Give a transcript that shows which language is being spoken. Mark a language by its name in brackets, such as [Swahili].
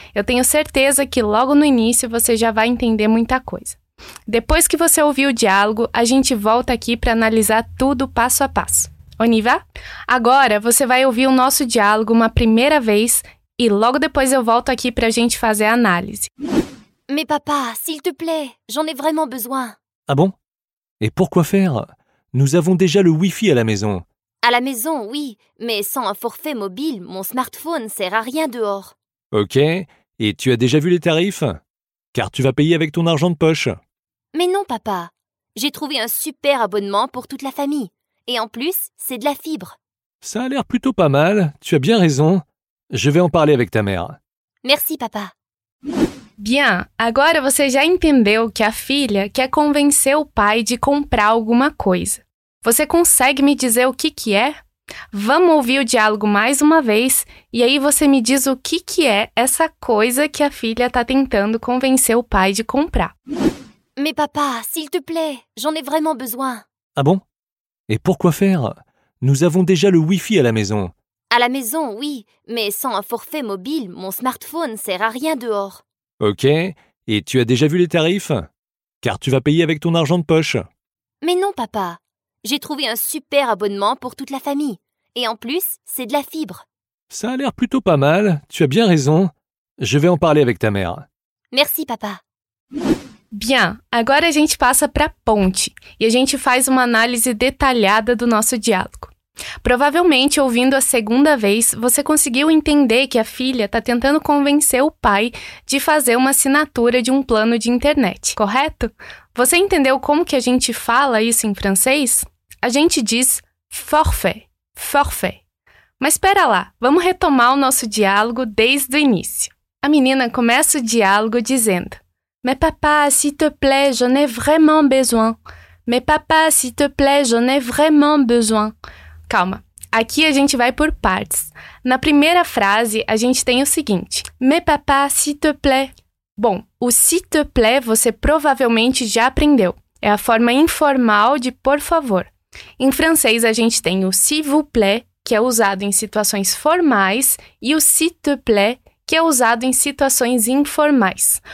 [Portuguese] Eu tenho certeza que logo no início você já vai entender muita coisa. Depois que você ouvir o diálogo, a gente volta aqui para analisar tudo passo a passo. [French] On y va? [Portuguese] Agora, você vai ouvir o nosso diálogo uma primeira vez e logo depois eu volto aqui para a gente fazer a análise. [French] Mais papa, s'il te plaît, j'en ai vraiment besoin. Ah bon? Et pourquoi faire? Nous avons déjà le wifi à la maison. À la maison, oui, mais sans un forfait mobile, mon smartphone sert à rien dehors. Ok, et tu as déjà vu les tarifs? Car tu vas payer avec ton argent de poche. Mais non, papa. J'ai trouvé un super abonnement pour toute la famille. Et en plus, c'est de la fibre. Ça a l'air plutôt pas mal. Tu as bien raison. Je vais en parler avec ta mère. Merci, papa. Bien, [Portuguese] agora você já entendeu que a filha quer convencer o pai de comprar alguma coisa. Você consegue me dizer o que é? Vamos ouvir o diálogo mais uma vez e aí você me diz o que é essa coisa que a filha está tentando convencer o pai de comprar. [French] Mais papa, s'il te plaît, j'en ai vraiment besoin. Ah bon? Et pourquoi faire? Nous avons déjà le wifi à la maison. À la maison, oui, mais sans un forfait mobile, mon smartphone sert à rien dehors. Ok, et tu as déjà vu les tarifs? Car tu vas payer avec ton argent de poche. Mais non, papa. J'ai trouvé un super abonnement pour toute la famille. Et en plus, c'est de la fibre. Ça a l'air plutôt pas mal. Tu as bien raison. Je vais en parler avec ta mère. Merci, papa. Bien, [Portuguese] agora a gente passa para a ponte e a gente faz uma análise detalhada do nosso diálogo. Provavelmente, ouvindo a segunda vez, você conseguiu entender que a filha está tentando convencer o pai de fazer uma assinatura de um plano de internet, correto? Você entendeu como que a gente fala isso em francês? A gente diz forfait, forfait. Mas espera lá, vamos retomar o nosso diálogo desde o início. A menina começa o diálogo dizendo: [French] Mais papa, s'il te plaît, j'en ai vraiment besoin. Mais papa, s'il te plaît, j'en ai vraiment besoin. [Portuguese] Calma, aqui a gente vai por partes. Na primeira frase, a gente tem o seguinte: [French] Mais papa, s'il te plaît. [Portuguese] Bom, o [French] s'il te plaît [Portuguese] você provavelmente já aprendeu. É a forma informal de por favor. Em francês, a gente tem o [French] s'il vous plaît, [Portuguese] que é usado em situações formais, e o [French] s'il te plaît, [Portuguese] que é usado em situações informais.